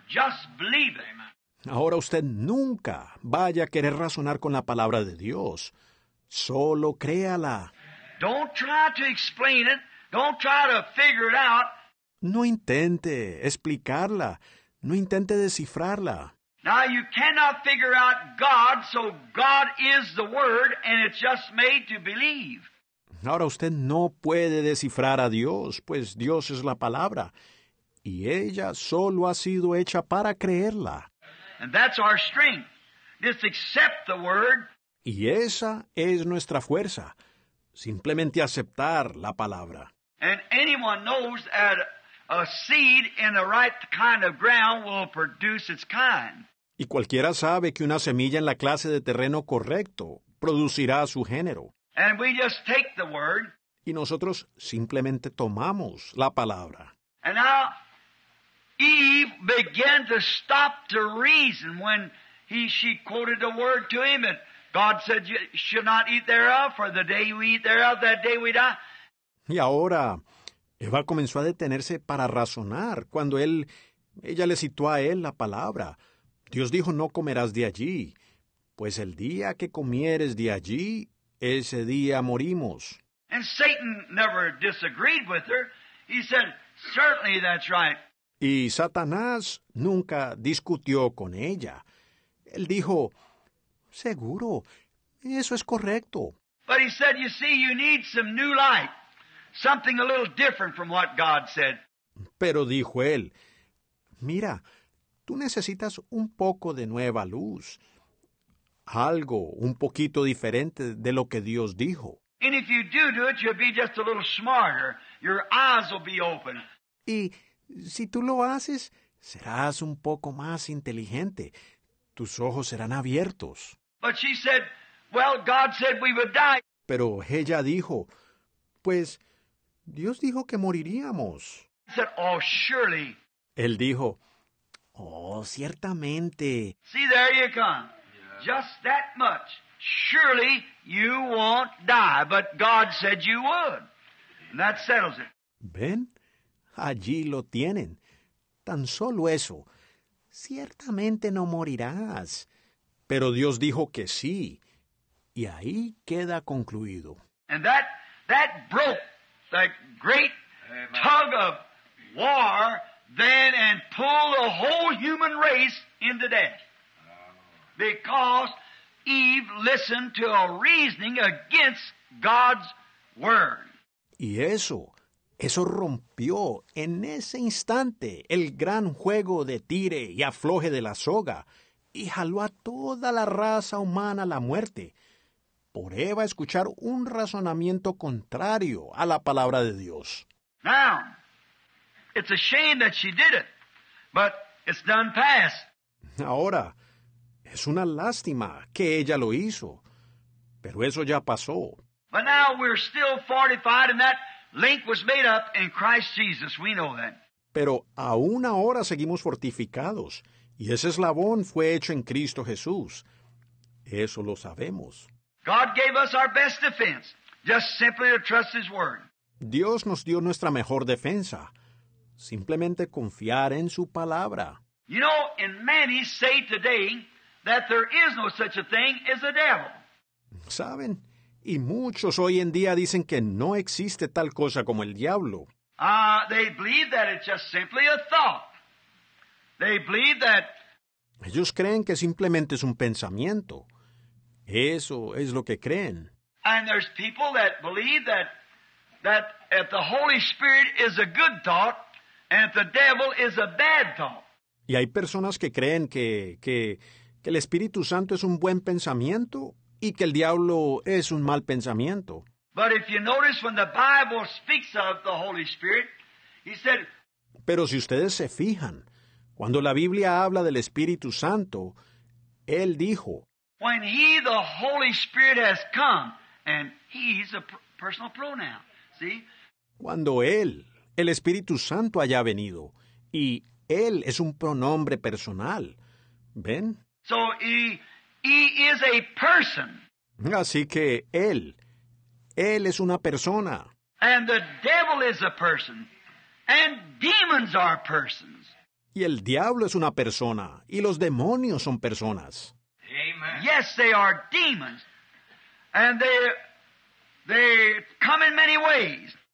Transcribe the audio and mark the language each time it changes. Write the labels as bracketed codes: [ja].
[en] Just believe him. [es] Ahora usted nunca vaya a querer razonar con la palabra de Dios. Solo créala. [en] Don't try to explain it. Don't try to figure it out. [es] No intente explicarla. No intente descifrarla. [en] Now you cannot figure out God, so God is the word and it's just made to believe. [es] Ahora usted no puede descifrar a Dios, pues Dios es la palabra, y ella solo ha sido hecha para creerla. [en] And that's our strength. Just accept the word. [es] Y esa es nuestra fuerza, simplemente aceptar la palabra. [en] And anyone knows that a seed in the right kind of ground will produce its kind. [es] Y cualquiera sabe que una semilla en la clase de terreno correcto producirá su género. [en] And we just take the word. [es] Y nosotros simplemente tomamos la palabra. [en] And now Eve began to stop to reason when she quoted the word to him. And God said, you should not eat thereof, for the day you eat thereof, that day we die. [es] Y ahora Eva comenzó a detenerse para razonar cuando ella le citó a él la palabra. Dios dijo, no comerás de allí, pues el día que comieres de allí, ese día morimos. [en] And Satan never disagreed with her. He said, certainly that's right. [es] Y Satanás nunca discutió con ella. Él dijo, seguro, Eso es correcto. [en] But he said, you see, you need some new light, something a little different from what God said. [es] Pero dijo él, mira, tú necesitas un poco de nueva luz, algo un poquito diferente de lo que Dios dijo. [en] And if you do it, you'll be just a little smarter. Your eyes will be open. [es] Y si tú lo haces, serás un poco más inteligente. Tus ojos serán abiertos. [en] But she said, well, God said we would die. [es] Pero ella dijo, pues, Dios dijo que moriríamos. [en] I said, oh, surely. [es] Él dijo, oh, ciertamente. [en] See, there you come. Yeah. Just that much. Surely you won't die, but God said you would. And that settles it. [es] Ven, allí lo tienen. Tan solo eso. Ciertamente no morirás. Pero Dios dijo que sí. Y ahí queda concluido. [en] And that broke the great tug of war then and pulled the whole human race into death. Because Eve listened to a reasoning against God's word. [es] Y eso rompió en ese instante el gran juego de tire y afloje de la soga y jaló a toda la raza humana a la muerte por Eva escuchar un razonamiento contrario a la palabra de Dios. [en] Now, it's a shame that she did it, but it's done past. [es] Ahora, es una lástima que ella lo hizo, pero eso ya pasó. [en] But now we're still fortified and that link was made up in Christ Jesus. We know that. [es] Pero aún ahora seguimos fortificados y ese eslabón fue hecho en Cristo Jesús. Eso lo sabemos. [en] God gave us our best defense, just simply to trust His word. [es] Dios nos dio nuestra mejor defensa, simplemente confiar en su palabra. [en] You know, and many say today that there is no such a thing as a devil. [es] ¿Saben? Y muchos hoy en día dicen que no existe tal cosa como el diablo. [en] They believe that it's just simply a thought. They believe that... [es] Ellos creen que simplemente es un pensamiento. Eso es lo que creen. [en] And there's people that believe that if the Holy Spirit is a good thought, and if the devil is a bad thought. [es] Y hay personas que creen que el Espíritu Santo es un buen pensamiento y que el diablo es un mal pensamiento. [en] But if you notice when the Bible speaks of the Holy Spirit, he said, [es] pero si ustedes se fijan, cuando la Biblia habla del Espíritu Santo, él dijo, [en] when he, the Holy Spirit, has come, and he's a personal pronoun, see? [es] Cuando él, el Espíritu Santo, haya venido, y él es un pronombre personal, ¿ven? [en] So he is a person. [es] Así que él es una persona. [en] And the devil is a person. And demons are persons. [es] Y el diablo es una persona. Y los demonios son personas. [en] Amen. Yes, they are demons. And they come in many ways.